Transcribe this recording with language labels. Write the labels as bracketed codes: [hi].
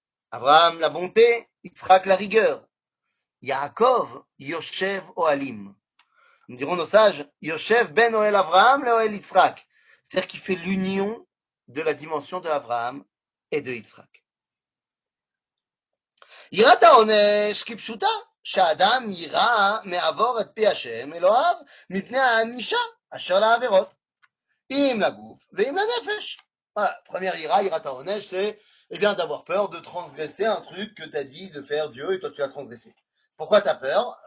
[fr] Abraham, la bonté, Yitzhak, la rigueur. Yaakov, Yoshev Oalim. Nous dirons nos sages, Yoshev Ben Oel Abraham, le Oel Yitzhak. C'est-à-dire qu'il fait l'union de la dimension de Abraham et de Yitzhak. [he] Yirat Ha'onesh Kipshuta. שאדם יירא מעבור את פי השם אלוהיו מפני הענישה אשר לעבירות אם לגוף ואם לנפש. [fr] Voilà, première ira, ira ta honesh, c'est eh bien d'avoir peur de transgresser un truc que t'as dit de faire Dieu et toi tu l'as transgressé. Pourquoi t'as peur?